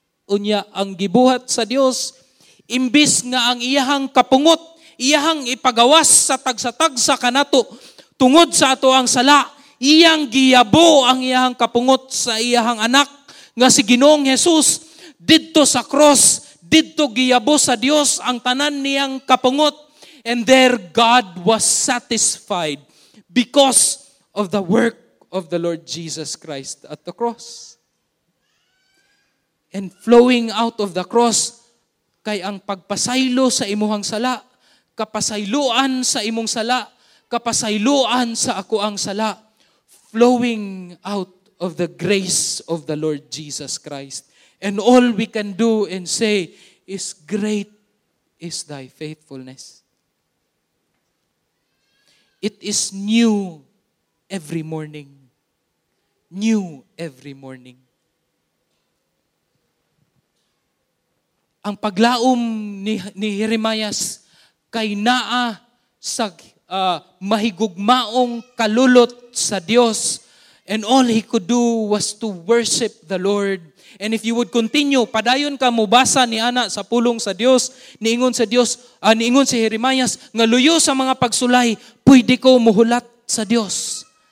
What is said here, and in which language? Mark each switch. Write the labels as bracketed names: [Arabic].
[Cebuano] Unya ang gibuhat sa Dios imbis nga ang iyahang kapungot, iyahang ipagawas sa tagsatag sa kanato tungod sa ato ang sala, iyang giyabo ang iyahang kapungot sa iyahang anak nga si Ginoong Jesus didto sa cross. Dito giyabo sa Dios ang tanan niyang kapungot. [English] And there God was satisfied because of the work of the Lord Jesus Christ at the cross. And flowing out of the cross, [Cebuano] kay ang pagpasaylo sa imuhang sala, kapasayloan sa imong sala, kapasayloan sa ako ang sala, [English] flowing out of the grace of the Lord Jesus Christ. And all we can do and say is great is thy faithfulness. It is new every morning. New every morning. [Cebuano] Ang paglaom ni Jeremias kay naa sa mahigugmaong kalulot sa Dios [English] And all he could do was to worship the Lord. And if you would continue, [Cebuano] padayon ka mubasa ni ana sa pulong sa Dios, niingon sa Dios, niingon si Jeremias, nga luyo sa mga pagsulay, pwede ko muhulat sa Dios.